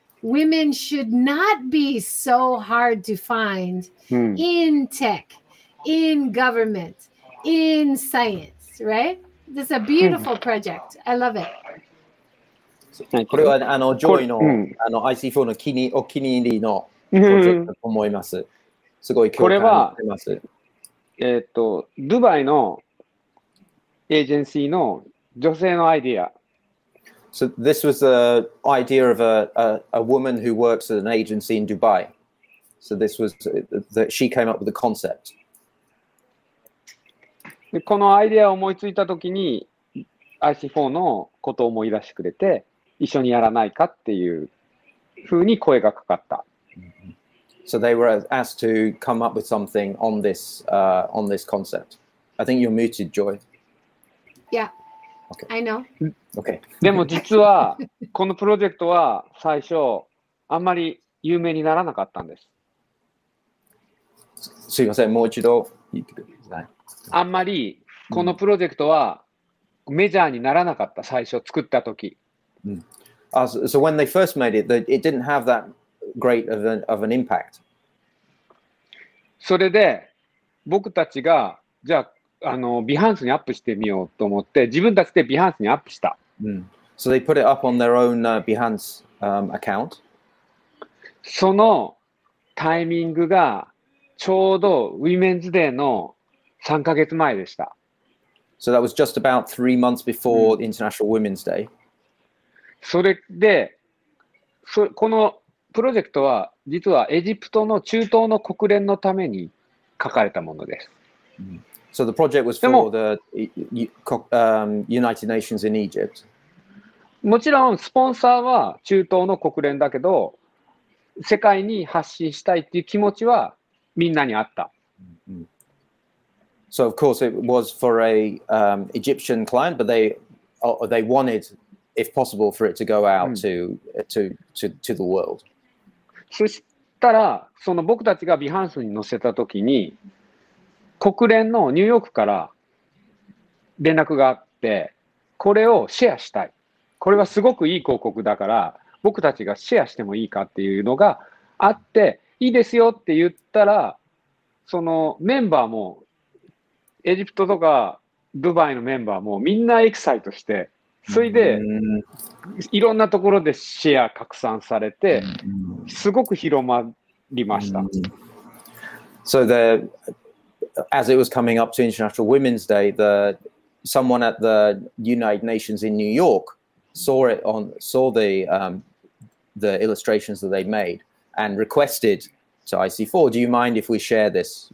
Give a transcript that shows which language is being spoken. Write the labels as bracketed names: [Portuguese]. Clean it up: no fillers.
[English] Women should not be so hard to find in tech, in government, in science, right? This is a beautiful project. I love it. [Japanese] これはあのジョイの、あの IC4 のお気に入りのと思います。すごい共感してます。これは、ドバイのエージェンシーの女性のアイディア。 [English] So this was the idea of a woman who works at an agency in Dubai. So this was that she came up with the concept. [Japanese] このアイデアを思いついたときに IC4 のことを思い出してくれて一緒にやらないかっていうふうに声がかかった。 [English] So they were asked to come up with something on this, on this concept. I think you're muted, Joy. Yeah. Okay. I know. Okay. [Japanese] でも実はこのプロジェクトは最初あんまり有名にならなかったんです。すいません、もう一度言ってください。あんまりこのプロジェクトはメジャーにならなかった、最初作ったとき。 [English] So when they first made it, it didn't have that great of an impact. [Japanese] それで僕たちがじゃああのビハンスにアップしてみようと思って自分たちでビハンスにアップした。 [English] So they put it up on their own Behance account. [Japanese] そのタイミングがちょうどウィメンズデーの3ヶ月前でした。 [English] So that was just about 3 months before International Women's Day. [Japanese] それでこのプロジェクトは実はエジプトの中東の国連のために書かれたものです。 [English] So the project was for the United Nations in Egypt. [Japanese] もちろんスポンサーは中東の国連だけど、世界に発信したいっていう気持ちはみんなにあった。 [English] So of course it was for a Egyptian client, but they wanted, if possible, for it to go out to the world. [Japanese] そしたらその僕たちがビハンスに載せたときに。国連のニューヨークから連絡があって、これをシェアしたい。これはすごくいい広告だから、僕たちがシェアしてもいいかっていうのがあって、いいですよって言ったら、そのメンバーも、エジプトとかドバイのメンバーもみんなエキサイトして、それでいろんなところでシェア拡散されて、すごく広まりました。 [English] So the... As it was coming up to International Women's Day, the someone at the United Nations in New York saw the illustrations that they made and requested to IC4, do you mind if we share this?